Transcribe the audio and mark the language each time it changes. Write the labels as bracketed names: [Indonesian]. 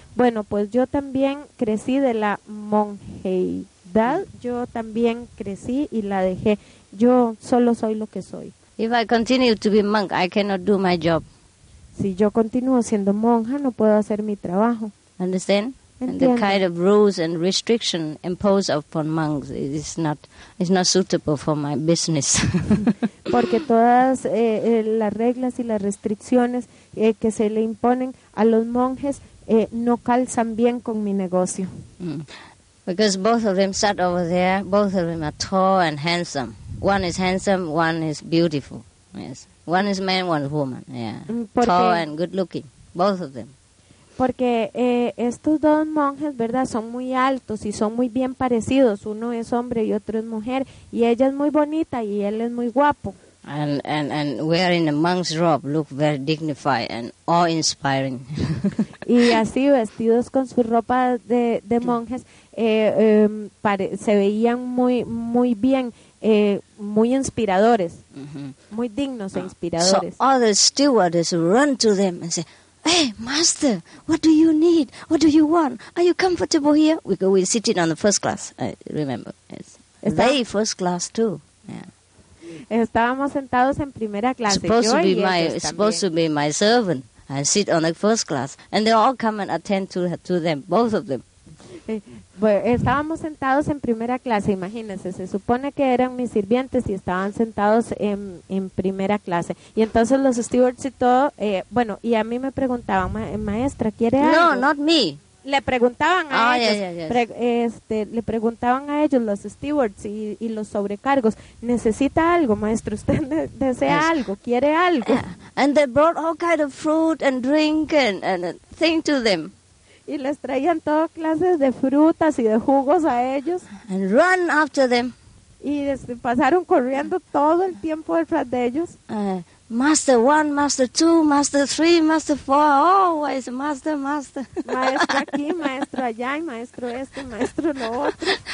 [Spanish] Bueno, pues yo también crecí de la monjeidad, yo también crecí y la dejé. Yo solo soy lo que soy. [English] If I continue to be monk, I cannot do my job. [Spanish] Si yo continúo siendo monja, no puedo hacer mi trabajo. [English] Understand? [Spanish] Entiendo. [English] And the kind of rules and restriction imposed upon monks is not suitable for my business. [Spanish] Porque todas las reglas y las restricciones que se le imponen a los monjes no calzan bien con mi negocio. [English] Because both of them sat over there, both of them are tall and handsome. One is handsome, one is beautiful. Yes. One is man, one is woman. Yeah. Tall and good looking, both of them. [Spanish] Porque estos dos monjes, ¿verdad?, son muy altos y son muy bien parecidos. Uno es hombre y otro es mujer. Y ella es muy bonita y él es muy guapo. [English] And wearing a monk's robe look very dignified and awe-inspiring. [Spanish] Y así, vestidos con su ropa de monjes, se veían muy, muy bien, muy inspiradores, muy dignos e inspiradores. [English] So all the stewards run to them and say, hey, master, what do you need? What do you want? Are you comfortable here? We sit in on the first class, I remember. Yes. They first class too. Yeah. [Spanish] Estábamos sentados en primera clase. [English] Supposed to be my servant. I sit on the first class. And they all come and attend to them, both of them. [Spanish] Estábamos sentados en primera clase, imagínense, se supone que eran mis sirvientes y estaban sentados en primera clase. Y entonces los stewards y todo, bueno, y a mí me preguntaban, maestra, ¿quiere algo? [English] No, not me, [Spanish] le preguntaban a ellos, le preguntaban a ellos los stewards y los sobrecargos, ¿necesita algo, maestro? ¿Usted desea algo? ¿Quiere algo? [English] And they brought all kind of fruit and drink and thing to them. [Spanish] Y les traían todas clases de frutas y de jugos a ellos. [English] And run after them. [Spanish] Y pasaron corriendo todo el tiempo detrás de ellos. [English] Master one, master two, master three, master four, always master, master. [Spanish] Maestro aquí, maestro allá, y maestro este, maestro lo otro.